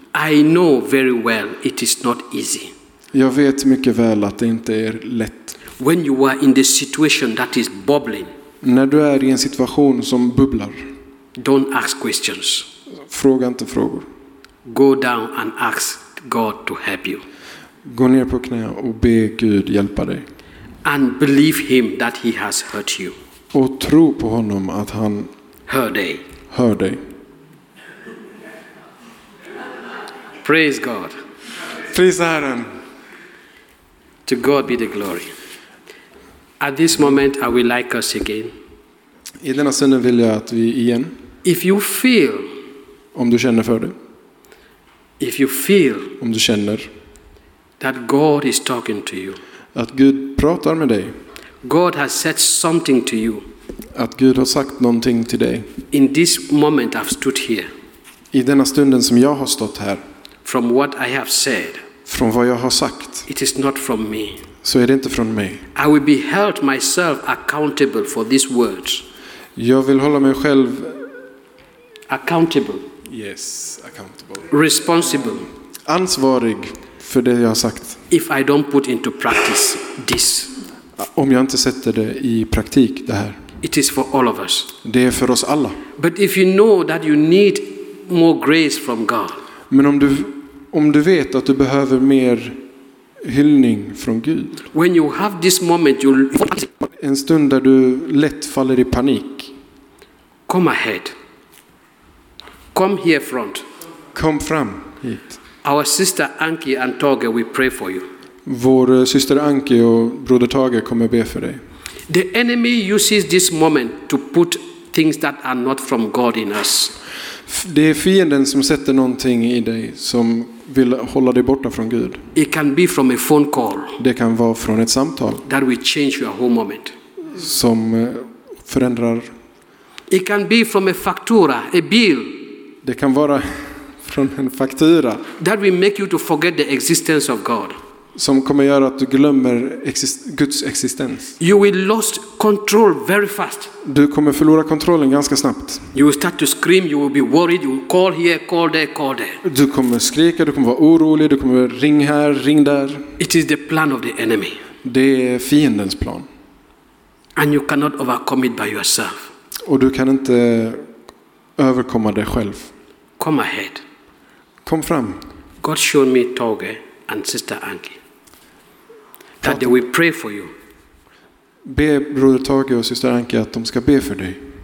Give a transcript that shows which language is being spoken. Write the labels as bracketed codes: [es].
[en] I know very well it is not easy. [sv] Jag vet mycket väl att det inte är lätt. [en] When you are in the situation that is bubbling. [sv] När du är i en situation som bubblar. [en] Don't ask questions. [sv] Fråga inte frågor. [en] Go down and ask God to help you. [sv] Gå ner på knä och be Gud hjälpa dig. [en] And believe him that he has heard you. [sv] Och tro på honom att han hör dig. Hör dig. [en] Praise God. [sv] Prisa Herren. [en] To God be the glory. At this moment I would like us again. [sv] I denna stund vill jag att vi igen. [en] If you feel. [sv] Om du känner för det. [en] If you feel. [sv] Om du känner. [en] That God is talking to you. [sv] Att Gud pratar med dig. [en] God has said something to you. [sv] Att Gud har sagt någonting till dig. [en] In this moment I've stood here. [sv] I denna stunden som jag har stått här. [en] From what I have said. [sv] Från vad jag har sagt. [en] It is not from me. [sv] Så är det inte från mig. [en] I will be held myself accountable for these words. [sv] Jag vill hålla mig själv [en] accountable. Yes, accountable. Responsible. [sv] Ansvarig för det jag har sagt. [en] If I don't put into practice this. [sv] Om jag inte sätter det i praktik det här. [en] It is for all of us. [sv] Det är för oss alla. [en] But if you know that you need more grace from God. [sv] Men om du vet att du behöver mer hyllning från Gud. [en] When you have this moment you [sv] en stund där du lätt faller i panik. [en] Come ahead. Come here front. [sv] Kom fram hit. [en] Our sister Anki and Tage will pray for you. [sv] Vår syster Anki och broder Tage kommer be för dig. [en] The enemy uses this moment to put things that are not from God in us. [sv] Det är fienden som sätter någonting i dig som vill hålla dig borta från Gud. [en] It can be from a phone call. [sv] Det kan vara från ett samtal. [en] That will change your whole moment. [sv] Som förändrar. [en] It can be from a factura, a bill. [sv] Det kan vara från en faktura. [en] That will make you to forget the existence of God. [sv] Som kommer göra att du glömmer Guds existens. [en] You will lose control very fast. [sv] Du kommer förlora kontrollen ganska snabbt. [en] You will start to scream, you will be worried, you will call here, call there, call there. [sv] Du kommer skrika, du kommer vara orolig, du kommer ring här, ring där. [en] It is the plan of the enemy. [sv] Det är fiendens plan. [en] And you cannot overcome it by yourself. [sv] Och du kan inte överkomma det själv. [en] Come ahead. [sv] Kom fram. [en] God showed me Tage and sister Anki that they will pray for you. [sv] Be broder Tage och syster Anki att de ska be för dig.